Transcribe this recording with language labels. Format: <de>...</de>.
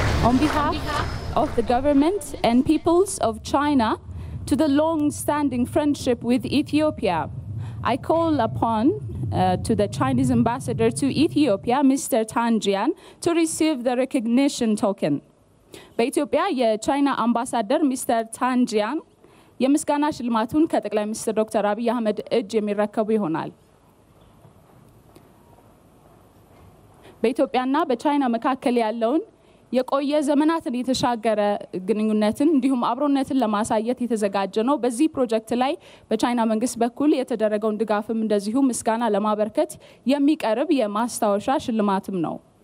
<en>On behalf of the government and peoples of China, to the long-standing friendship with Ethiopia, I call upon to the Chinese ambassador to Ethiopia, Mr. Tan Jian, to receive the recognition token.</en> <am>በኢትዮጵያ የቻይና አምባሳደር ሚስተር ታን ጂያን የምስጋና ሽልማቱን ከጠቅላይ ሚኒስትር ዶክተር አብይ አህመድ እጅ የሚረከቡ ይሆናል። በኢትዮጵያና በቻይና መካከል ያለውን የቆየ ዘመናትን የተሻገረ ግንኙነትን እንዲሁም አብሮነትን ለማሳየት የተዘጋጀ ነው። በዚህ ፕሮጀክት ላይ በቻይና መንግስት በኩል የተደረገውን ድጋፍም እንደዚሁ ምስጋና ለማበርከት የሚቀርብ የማስተዋወሻ ሽልማትም ነው።</am>